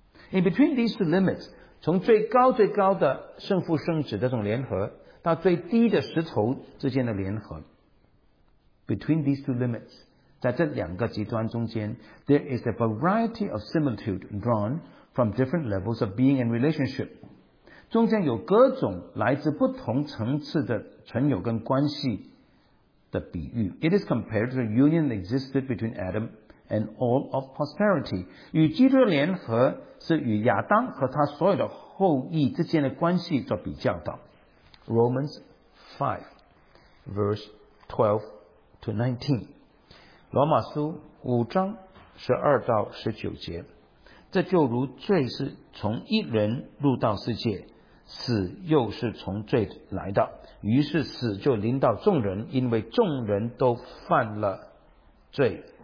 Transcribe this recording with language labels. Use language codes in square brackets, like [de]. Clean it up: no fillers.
[en] In between these limits， [zh] 从最高最高的圣父圣子的这种联合，到最低的石头之间的联合， [en] Between these two limits， [zh] 在这两个极端中间， [en] There is a variety of similitude drawn from different levels of being and relationship， [zh] 中间有各种来自不同层次的存有跟关系的比喻。 [en] It is compared to the union that existed between Adam and all of posterity， [zh] 与基督的联合是与亚当和他所有的后裔之间的关系做比较的。 [en] Romans 5 verse 12 to 19， [zh] 罗马书五章十二到十九节，这就如罪是从一人入到世界，死又是从罪来的，于是死就临到众人，因为众人都犯了罪。